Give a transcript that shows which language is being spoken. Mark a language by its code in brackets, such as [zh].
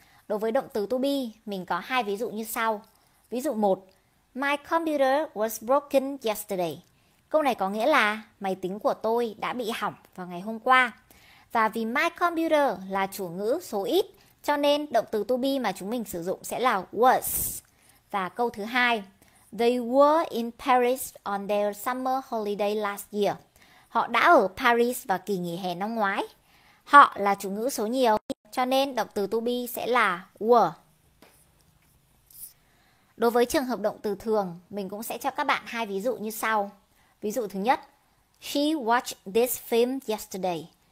[vi] Đối với động từ to be, mình có hai ví dụ như sau. Ví dụ 1. [en] My computer was broken yesterday. [vi] Câu này có nghĩa là máy tính của tôi đã bị hỏng vào ngày hôm qua. Và vì my computer là chủ ngữ số ít, cho nên động từ to be mà chúng mình sử dụng sẽ là was. Và câu thứ hai, [en] they were in Paris on their summer holiday last year. [vi] Họ đã ở Paris vào kỳ nghỉ hè năm ngoái. Họ là chủ ngữ số nhiều, cho nên động từ to be sẽ là were. Đối với trường hợp động từ thường, mình cũng sẽ cho các bạn hai ví dụ như sau. Ví dụ thứ nhất, [en] she watched this film yesterday.